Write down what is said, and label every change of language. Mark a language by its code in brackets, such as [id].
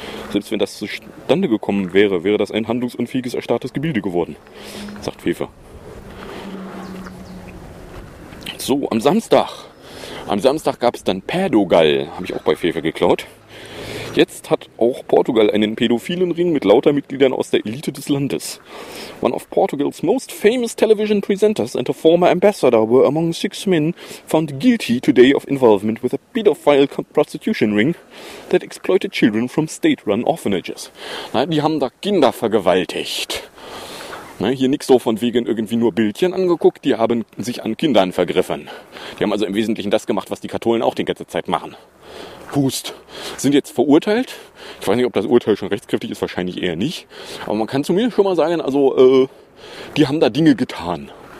[de] Selbst wenn das zustande gekommen wäre, wäre das ein handlungsunfähiges, erstarrtes Gebilde geworden, sagt Fefe. So, am Samstag. Am Samstag gab es dann Pädogal, habe ich auch bei Fefe geklaut. Jetzt hat auch Portugal einen pädophilen Ring mit lauter Mitgliedern aus der Elite des Landes. [en] One of Portugal's most famous television presenters and a former ambassador were among 6 men found guilty today of involvement with a pedophile prostitution ring that exploited children from state-run orphanages. [de] Na, die haben da Kinder vergewaltigt. Na, hier nichts so von wegen irgendwie nur Bildchen angeguckt, die haben sich an Kindern vergriffen. Die haben also im Wesentlichen das gemacht, was die Katholen auch die ganze Zeit machen. Pust. Sind jetzt verurteilt. Ich weiß nicht, ob das Urteil schon rechtskräftig ist, wahrscheinlich eher nicht. Aber man kann zu mir schon mal sagen, also, die haben da Dinge getan.